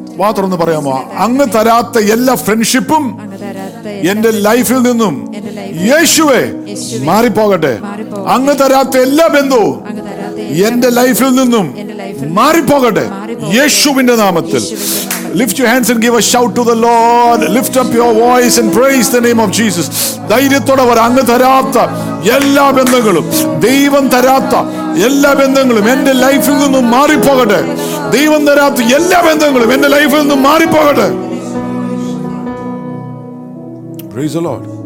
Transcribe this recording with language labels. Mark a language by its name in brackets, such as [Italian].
[Malayalam] മാത്രമൊന്ന് പറയാമോ, അങ്ങ് തരാത്ത എല്ലാ ഫ്രണ്ട്ഷിപ്പും എന്റെ ലൈഫിൽ നിന്നും യേശുവേ മാറിപ്പോകട്ടെ. അങ്ങ് തരാത്ത എല്ലാ ബന്ധവും എന്റെ ലൈഫിൽ നിന്നും മാറിപ്പോകട്ടെ യേശുവിന്റെ നാമത്തിൽ. [English] Lift your hands and give a shout to the Lord. Lift up your voice and praise the name of Jesus. [Malayalam] ദൈവത്തോടെ അങ്ങ് തരാത്ത എല്ലാ ബന്ധങ്ങളും, ദൈവം തരാത്ത എല്ലാ ബന്ധങ്ങളും എന്റെ ലൈഫിൽ നിന്നും മാറിപ്പോകട്ടെ. ദൈവം തരാത്ത എല്ലാ ബന്ധങ്ങളും എന്റെ ലൈഫിൽ നിന്നും മാറിപ്പോകട്ടെ. [English] Praise the Lord.